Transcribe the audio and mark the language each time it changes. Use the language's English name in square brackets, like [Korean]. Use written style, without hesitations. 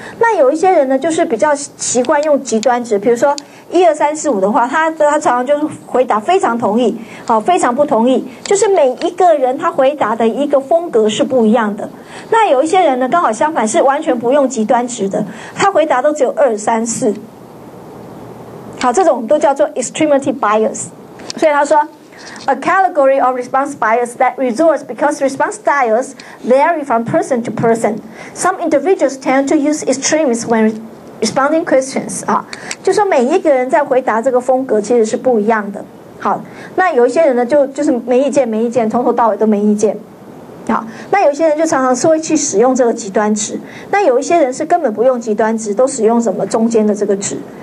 [Chinese] 那有一些人呢，就是比较习惯用极端值，比如说一二三四五的话，他常常就是回答非常同意，好，非常不同意，就是每一个人他回答的一个风格是不一样的。那有一些人呢，刚好相反，是完全不用极端值的，他回答都只有二三四。好，这种都叫做 extremity bias。所以他说 [English] A category of response bias that results because response styles vary from person to person. Some individuals tend to use extremes when responding questions. [Chinese] 啊，就说每一个人在回答这个风格其实是不一样的。好，那有一些人呢，就是没意见，没意见，从头到尾都没意见。好，那有些人就常常是会去使用这个极端值，那有一些人是根本不用极端值，都使用什么中间的这个值。